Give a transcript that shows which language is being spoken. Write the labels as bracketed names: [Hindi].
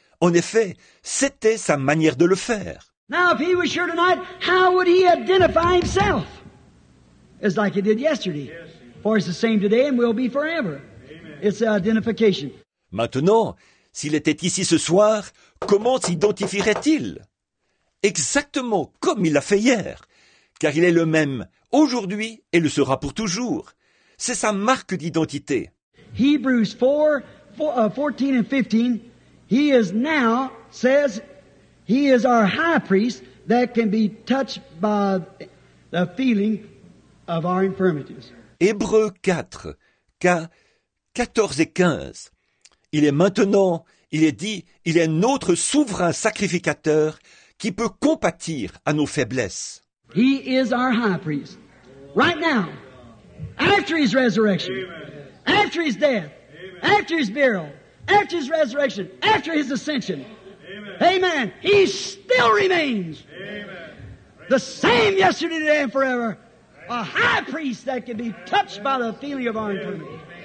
[French] En effet, c'était sa manière de le faire. [English] Now, if he was here tonight, how would he identify himself? It's like he did yesterday. For it's the same today and will be forever. It's the identification. [French] Maintenant, s'il était ici ce soir, comment s'identifierait-il? Exactement comme il l'a fait hier, car il est le même aujourd'hui et le sera pour toujours. C'est sa marque d'identité. [English] Hebrews 4:14 and 15, he is now, says, he is our high priest that can be touched by the feeling of our infirmities. [French] Hébreux 4, 14 et 15. Il est maintenant, il est dit, il est notre souverain sacrificateur qui peut compatir à nos faiblesses. [English] He is our high priest. Right now, after his resurrection, Amen. After his death, Amen. After his burial, after his resurrection, after his ascension, Amen. Amen. He still remains Amen. The same yesterday, today, and forever, a high priest that can be touched by the feeling of our infirmity.